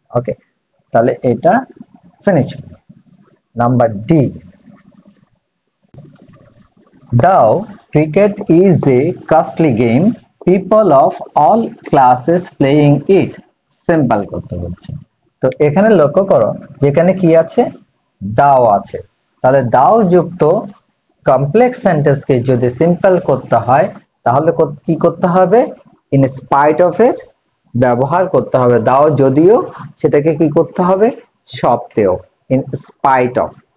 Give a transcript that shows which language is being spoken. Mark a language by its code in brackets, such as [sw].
[bn] Okay, তাহলে এটা finish. [en] Number D, though cricket is a costly game, people of all classes playing it. [bn] Simple করতে বলছে, তো এখানে লক্ষ্য করো যেখানে কি আছে, দাও আছে, তাহলে দাও যুক্ত কমপ্লেক্স সেন্টেন্স কে যদি সিম্পল করতে হয় তাহলে কি করতে হবে, ইন স্পাইট অফ এর ব্যবহার করতে হবে, দাও যদিও সেটাকে কি করতে হবে, সত্ত্বেও, ইন স্পাইট অফ।